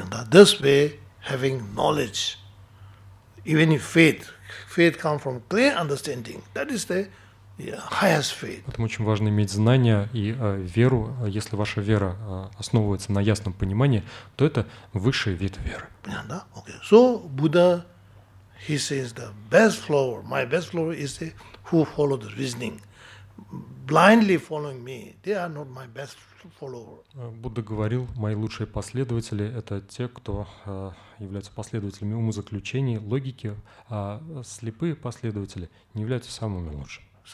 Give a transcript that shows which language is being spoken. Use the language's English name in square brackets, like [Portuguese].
[English] This way, having knowledge, even if faith comes from clear understanding, that is the highest faith. [Russian] Поэтому очень важно иметь знания и веру. Если ваша вера основывается на ясном понимании, то это высший вид веры. Понятно, да? Okay. [English] So Buddha, he says the best flower, my best flower is the who follow the reasoning. Blindly following me, they are not my best follower. [Russian] Будда говорил, мои лучшие последователи — это те, кто являются последователями умозаключений, логики, а слепые последователи не являются самыми лучшими.